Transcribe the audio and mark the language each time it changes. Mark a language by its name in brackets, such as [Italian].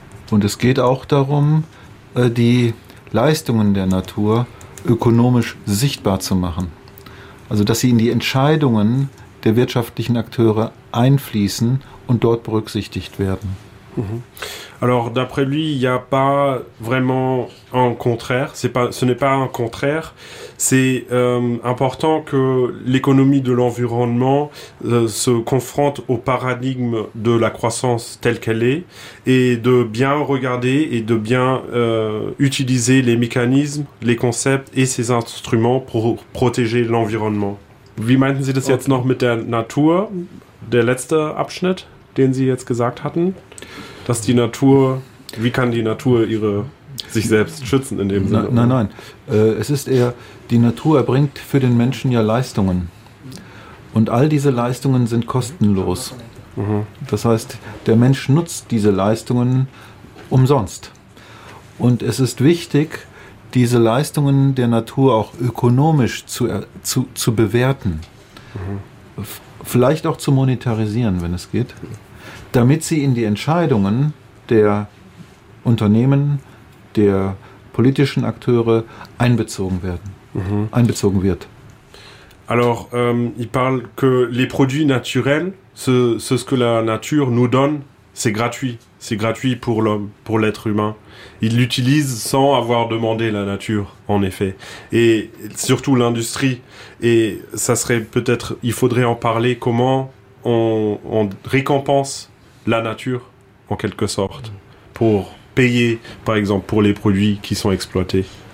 [German] Und es geht auch darum, die Leistungen der Natur ökonomisch sichtbar zu machen. Also, dass sie in die Entscheidungen der wirtschaftlichen Akteure einfließen und dort berücksichtigt werden. [French] Alors, d'après lui, il n'y a pas vraiment un contraire. Ce n'est pas un contraire. C'est important que l'économie de l'environnement se confronte au paradigme de la croissance telle qu'elle est et de bien regarder et de bien utiliser les mécanismes, les concepts et ces instruments pour protéger l'environnement. [German] Wie meinten Sie das jetzt noch mit der Natur, der letzte Abschnitt, den Sie jetzt gesagt hatten? Dass die Natur, wie kann die Natur ihre sich selbst schützen in dem Sinne? Nein. Es ist eher, die Natur erbringt für den Menschen ja Leistungen. Und all diese Leistungen sind kostenlos. Das heißt, der Mensch nutzt diese Leistungen umsonst. Und es ist wichtig, diese Leistungen der Natur auch ökonomisch zu bewerten. Vielleicht auch zu monetarisieren, wenn es geht. Damit sie in die Entscheidungen der Unternehmen, der politischen Akteure einbezogen wird. [French] Alors, il parle que les produits naturels, ce que la nature nous donne, c'est gratuit. C'est gratuit pour l'homme, pour l'être humain. Il l'utilise sans avoir demandé la nature, en effet. Et surtout l'industrie. Et ça serait peut-être, il faudrait en parler, comment on récompense la nature, en quelque sorte, pour payer, par exemple, pour les produits qui sont exploités.